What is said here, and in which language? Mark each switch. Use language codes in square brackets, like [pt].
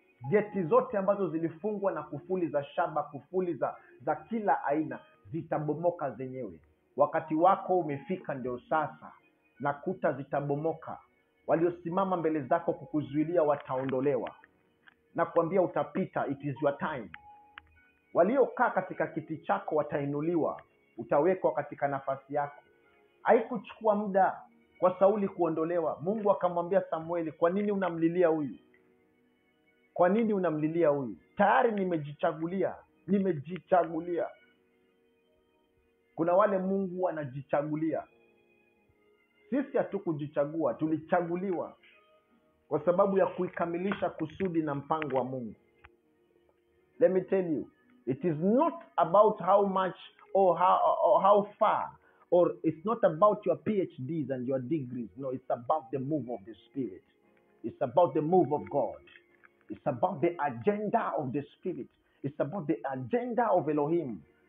[sw] Geti zote ambazo zilifungwa na kufuli za shaba, kufuli za kila aina, zitabomoka zenyewe. Wakati wako umefika ndio sasa, na kuta zitabomoka. Waliosimama mbele zako kukuzuilia wataondolewa. Na kuambia utapita, [en] it is your time. [sw] Waliokaa katika kiti chako watainuliwa, utawekwa katika nafasi yako. Haikuchukua muda kwa Sauli kuondolewa. Mungu akamwambia Samueli, kwa nini unamlilia huyu? Kwa nini unamlilia huyu? Tayari nimejichagulia, nimejichagulia. Kuna wale Mungu anajichagulia. Sisi hatukujichagua, tulichaguliwa kwa sababu ya kuikamilisha kusudi na mpango wa Mungu. [en] Let me tell you, it is not about how much or how far, or it's not about your PhDs and your degrees. No, it's about the move of the Spirit. It's about the move of God. It's about the agenda of the Spirit. It's about the agenda of Elohim.